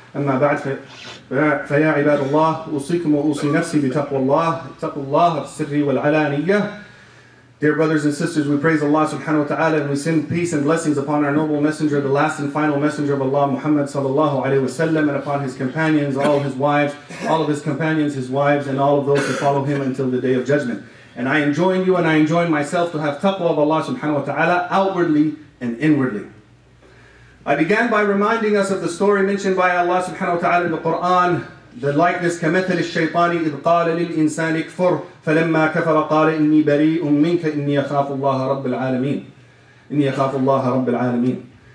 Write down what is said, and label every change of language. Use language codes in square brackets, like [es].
[ar] أما بعد فيا عباد الله أوصيكم وأوصي نفسي بتقوى الله تقوى الله في السر والعلانية. [en] Dear brothers and sisters, we praise Allah subhanahu wa ta'ala and we send peace and blessings upon our noble messenger, the last and final messenger of Allah, Muhammad sallallahu alayhi wa sallam, and upon his companions, all of his wives, all of his companions, his wives, and all of those who follow him until the day of judgment. And I enjoin you and I enjoin myself to have taqwa of Allah subhanahu wa ta'ala outwardly and inwardly. I began by reminding us of the story mentioned by Allah subhanahu wa ta'ala in the Qur'an. The likeness, [ar] كَمَثَلِ الشَّيْطَانِ إِذْ قَالَ لِلْإِنسَانِ اكْفُرْ فَلَمَّا كَفَرَ قَالَ إِنِّي بَرِيءٌ مِّنْكَ إِنِّي أَخَافُ اللَّهَ رَبِّ الْعَالَمِينَ إِنِّي أَخَافُ اللَّهَ رَبِّ الْعَالَمِينَ.